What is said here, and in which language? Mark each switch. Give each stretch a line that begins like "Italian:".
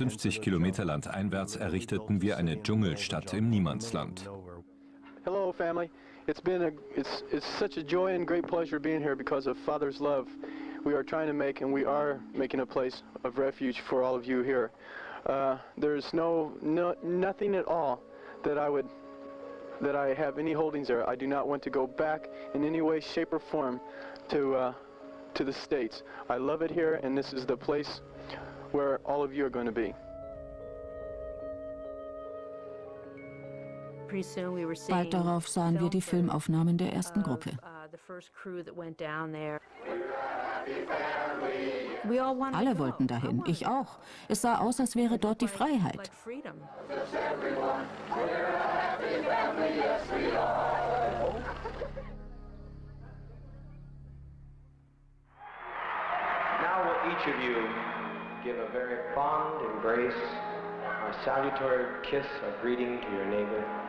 German: Kilometer landeinwärts errichteten wir eine Dschungelstadt im Niemandsland.
English: Hello family, it's such a joy and great pleasure being here because of Father's love. We are trying to make and we are making a place of refuge for all of you here. There's nothing at all that I have any holdings there. I do not want to go back in any way, shape or form to the States. I love it here and this is the place where all of you are going to be.
German: Bald darauf sahen wir die Filmaufnahmen der ersten Gruppe. Alle wollten dahin, ich auch. Es sah aus, als wäre dort die Freiheit.
English: Now will each of you give a very fond embrace, a salutary kiss of greeting to your neighbor.